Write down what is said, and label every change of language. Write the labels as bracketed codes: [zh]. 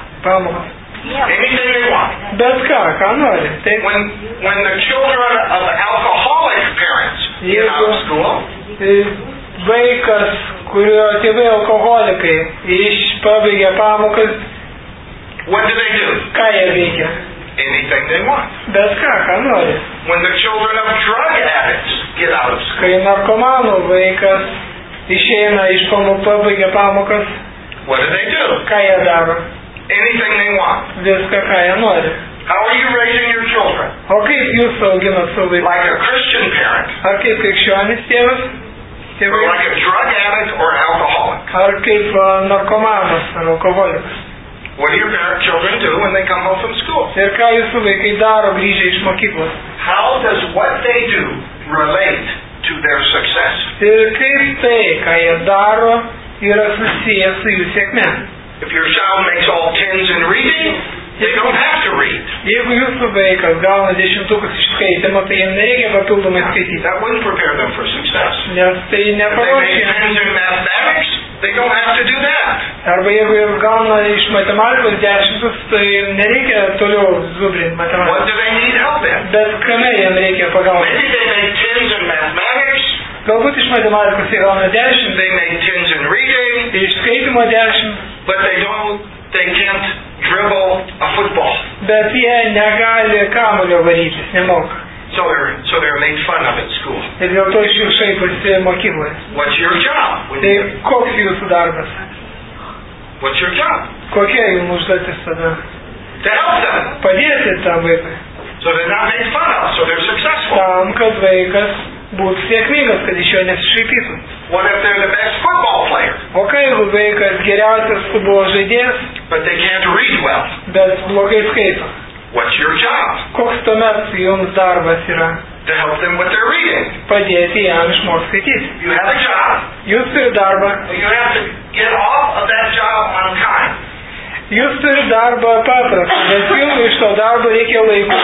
[lt] Pamoką. [en] Anything they want. [lt] Bet ką, ką nori? Tai... [en] When the children of alcoholic parents get out of school, [lt] vaikas, kurio tėvai alkoholikai, iš pabaigė pamokas. [en] What do they do? [lt] Ką jie veikia? [en] Anything they want. [lt] Bet ką, ką nori? [en] When the children of drug addicts get out of school. [lt] Kai narkomanų vaikas išeina iš pamokų, pabaigė pamokas. [en] What do they do? [lt] Ką jie daro? [en] Anything they want. [lt] Viską, ką jie nori. [en] How are you raising your children? [lt] O kaip jūs auginat savo vaikus? [en] Like a Christian parent. [lt] Ar kaip krikščionis tėvas? [en] Or like a drug addict or alcoholic. [lt] Ar kaip narkomanas ar [en] what do your parents children do when they come home from school? [lt] Ir ką jūsų vaikai daro grįžę iš mokyklos? [en] How does what they do relate to their success? [lt] Ir kaip tai, ką jie daro, yra susiję su jų sėkme? [en] If your child makes all tens in reading, they don't have to read. [lt] Jeigu jūsų vaikas gauna dešimtukus iš skaitimo, tai jiems nereikia papildomai skaityti. [en] That wouldn't prepare them for success. [lt] Nes tai neparuošia. [en] If they make tens in mathematics, they don't have to do that. [lt] Arba jeigu jie gauna iš matematikos dešimtus, tai nereikia toliau zubrinti matematiką. [en] What do they need help in? [lt] Bet kame jiems reikia pagalbos? [en] Maybe they make tens in mathematics. [lt] Galbūt iš matematikos jie gauna dešimt. [en] They make tens in reading. [lt] Iš skaitimo dešimt. [en] But they can't dribble a football. [lt] Bet jie negali kamulio varyti, nemoka. [en] So they're made fun of at school. [lt] Ir dėl to iš jų šaipasi mokykloje. [en] What's your job? [lt] Tai koks jūsų darbas? [en] What's your job? [lt] Kokia jums užduotis tada? [en] To help them. [lt] Padėti tam vaikui. [en] So they're not made fun of, so they're successful. [lt] Tam, kad vaikas būtų sėkmingas, kad iš jo nesišaipytų. [en] What if they're the best football player? [lt] O ką jeigu vaikas geriausias futbolo žaidėjas? [en] But they can't read well. [lt] Bet blogai skaito. [en] What's your job? [lt] Koks tuomet jums darbas yra? [en] To help them with their reading. [lt] Padėti jam išmokti skaityti. [en] You have a job. [lt] Jūs turi darbą. [en] You have to get off of that job on time. [lt] Jūs turi darbą paprastą, bet jums iš to darbo reikia laiko